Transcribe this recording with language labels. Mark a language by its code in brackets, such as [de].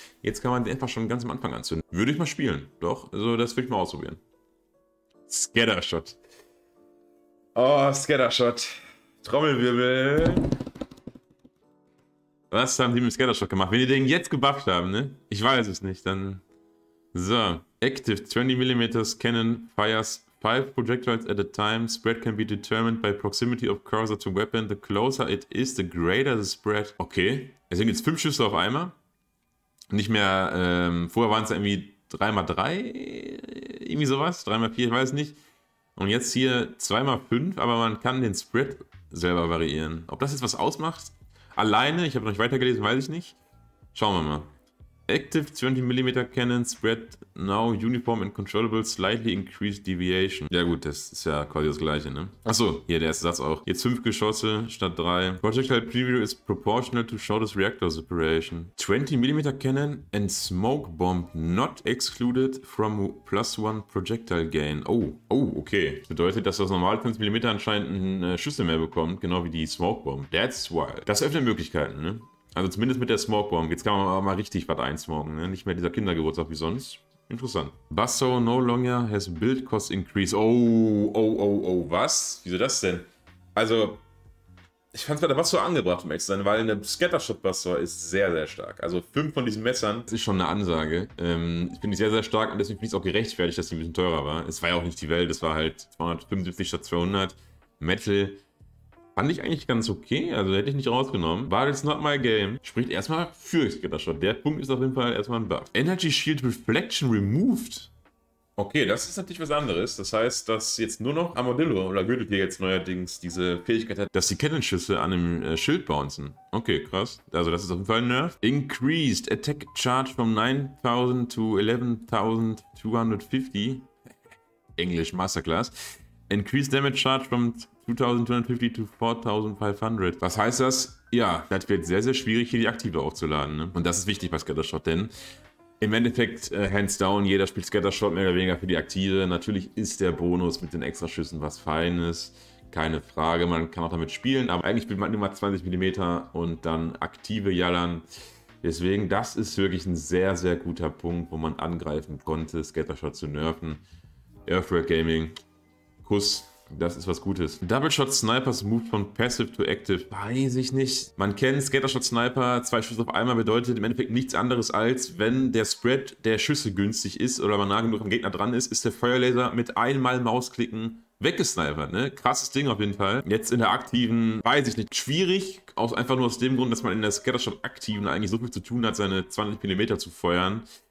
[de] Jetzt kann man die einfach schon ganz am Anfang anzünden. Würde ich mal spielen, doch. Also das würde ich mal ausprobieren. Scattershot. Oh, Scattershot. Trommelwirbel. Was haben die mit Scattershot gemacht? Wenn die den jetzt gebufft haben, ne? Ich weiß es nicht, dann... So. [en] Active 20mm Cannon Fires 5 projectiles at a time. Spread can be determined by proximity of cursor to weapon. The closer it is, the greater the spread. [de] Okay, es sind jetzt 5 Schüsse auf einmal. Nicht mehr, vorher waren es irgendwie 3x3, irgendwie sowas, 3x4, ich weiß nicht. Und jetzt hier 2x5, aber man kann den Spread selber variieren. Ob das jetzt was ausmacht? Alleine, ich habe noch nicht weitergelesen, weiß ich nicht. Schauen wir mal. [en] Active 20mm Cannon Spread now uniform and controllable slightly increased deviation. [de] Ja gut, das ist ja quasi das gleiche, ne? Achso, hier der erste Satz auch. Jetzt 5 Geschosse statt 3. [en] Projectile preview is proportional to shortest reactor separation. 20mm Cannon and smoke bomb not excluded from plus 1 projectile gain. Oh, okay. [de] Das bedeutet, dass das normal 20mm anscheinend eine Schüsse mehr bekommt, genau wie die smoke bomb. [en] That's wild. [de] Das öffnet Möglichkeiten, ne? Also zumindest mit der Smoke Bomb. Jetzt kann man aber mal richtig was einsmoken, ne? Nicht mehr dieser Kindergeburtstag wie sonst. Interessant. [en] Basso no longer has build cost increase. [de] Oh, was? Wieso das denn? Also, ich fand es bei der Basso angebracht, um ehrlich zu sein, weil eine Scattershot Basso ist sehr, sehr stark. Also 5 von diesen Messern, das ist schon eine Ansage. Ich finde die sehr, sehr stark und deswegen finde ich es auch gerechtfertigt, dass die ein bisschen teurer war. Es war ja auch nicht die Welt, es war halt 275 statt 200. Metal. Fand ich eigentlich ganz okay, also hätte ich nicht rausgenommen. [en] But it's not my game. [de] Spricht erstmal für Scattershot. Der Punkt ist auf jeden Fall erstmal ein Buff. [en] Energy Shield Reflection removed. [de] Okay, das ist natürlich was anderes. Das heißt, dass jetzt nur noch Armadillo oder Gürtel hier jetzt neuerdings diese Fähigkeit hat, dass die Cannon-Schüsse an dem Schild bouncen. Okay, krass. Also das ist auf jeden Fall ein Nerf. [en] Increased Attack Charge from 9000 to 11250. Englisch Masterclass. Increased Damage Charge from 2250 to 4500. [de] Was heißt das? Ja, das wird sehr, sehr schwierig, hier die Aktive aufzuladen. Ne? Und das ist wichtig bei Scattershot, denn im Endeffekt, [en] hands down, [de] jeder spielt Scattershot mehr oder weniger für die Aktive. Natürlich ist der Bonus mit den Extraschüssen was Feines. Keine Frage, man kann auch damit spielen. Aber eigentlich spielt man nur mal 20mm und dann aktive Jallern. Deswegen, das ist wirklich ein sehr, sehr guter Punkt, wo man angreifen konnte, Scattershot zu nerven. Earthrealm Gaming, Kuss. Das ist was Gutes. [en] Double Shot Snipers moved von Passive to Active. [de] Weiß ich nicht. Man kennt Scattershot Sniper. Zwei Schüsse auf einmal bedeutet im Endeffekt nichts anderes als, wenn der Spread der Schüsse günstig ist oder man nah genug am Gegner dran ist, ist der Feuerlaser mit einmal Mausklicken weggesnipert. Ne? Krasses Ding auf jeden Fall. Jetzt in der aktiven, weiß ich nicht, schwierig. Auch einfach nur aus dem Grund, dass man in der Scattershot aktiven eigentlich so viel zu tun hat, seine 20mm zu feuern.